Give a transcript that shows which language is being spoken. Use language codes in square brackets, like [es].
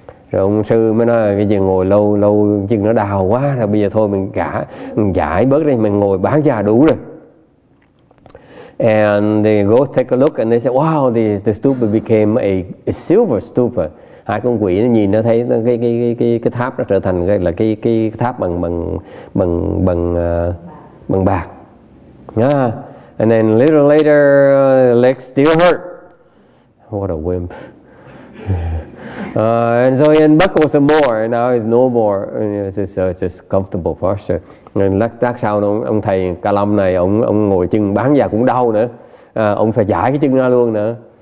[vi] Rồi ông sư mới nói cái gì ngồi lâu chân nó đau quá, rồi bây giờ thôi mình giải bớt đi, mình ngồi bán già đủ rồi. [en] And the ghost take a look and they say, "Wow, the stupa became a silver stupa." [vi] Hai con quỷ nó nhìn nó thấy cái tháp nó trở thành cái tháp bằng bạc. [en] Yeah. And then a little later, leg still hurt. What a wimp. And so he unbuckled some more, and now it's no more. It's just comfortable posture. And that's how [vi] ông thầy Ca Lâm này ông ngồi chân bán già cũng đau nữa. Ông phải giải cái chân ra luôn nữa.